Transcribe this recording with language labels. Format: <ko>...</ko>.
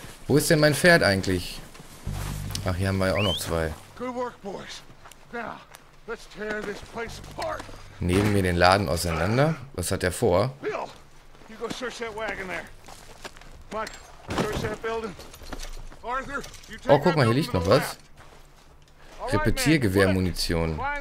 <de>Wo ist denn mein Pferd eigentlich? Ach, hier haben wir ja auch noch 2.</de> <en>Good work, boys. Now, let's tear this place apart.</en> <de>Nehmen wir den Laden auseinander. Was hat er vor?</de> <en>Bill, you go search that wagon there. Mike, search that building.</en> <de>Oh, guck mal, hier liegt noch was. Repetiergewehrmunition.</de>